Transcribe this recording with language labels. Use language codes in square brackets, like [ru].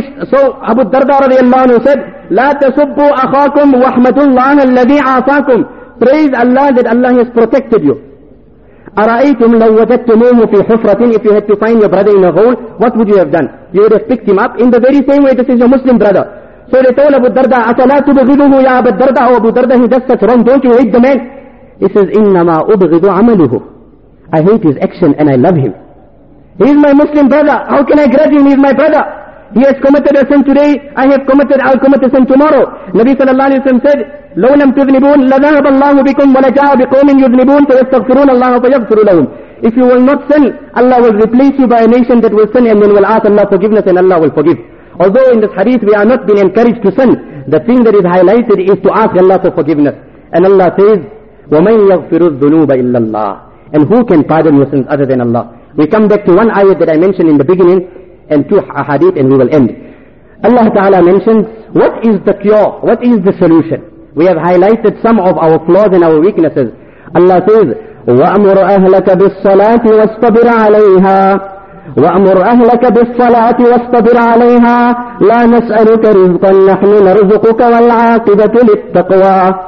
[ar] So Abu Darda radiallahu anhu said, لا تسبوا أخاكم وحمد الله الذي عافاكم. [en] Praise Allah that Allah has protected you. [ar] أرأيتم لو وجدتموه في حفرة, [en] if you had to find your brother in a hole, what would you have done? You would have picked him up in the very same way. This is your Muslim brother. So they told Abu Darda, [ar] أَفَلَا تُبْغِدُهُ يَا أَبَ الدَّرْدَى. [en] Abu Darda, he does such wrong. Don't you hate the man? He says, [ar] إِنَّمَا أُبْغِدُ عَمَلُهُ. [en] I hate his action and I love him. He is my Muslim brother. How can I grudge him? He is my brother. He has committed a sin today. I have committed, I'll commit a sin tomorrow. Nabi sallallahu alayhi wa sallam said, [ar] لو لم تذنبون لذهب الله بكم ولجاء بقوم يذنبون فيستغفرون الله فيغفر لهم. [en] If you will not sin, Allah will replace you by a nation that will sin and then will ask Allah forgiveness and Allah will forgive. Although in this hadith we are not being encouraged to sin, the thing that is highlighted is to ask Allah for forgiveness. And Allah says, [ar] وَمَنْ يَغْفِرُ الذُّنُوبَ إِلَّا اللَّهِ. [en] And who can pardon your sins other than Allah? We come back to one ayah that I mentioned in the beginning and two hadith and we will end. Allah Ta'ala mentions, what is the cure? What is the solution? We have highlighted some of our flaws and our weaknesses. Allah says, [ar] وَأْمُرْ أَهْلَكَ بِالصَّلَاةِ وَاسْتَبِرْ عَلَيْهَا وَأْمُرْ أَهْلَكَ بِالصَّلَاةِ وَاسْتَبِرْ عَلَيْهَا لَا نَسْأَلُكَ رِزْقًا نَحْنُ نَرْزُقُكَ وَالْعَاقِبَةُ لِلتَّقْوَى.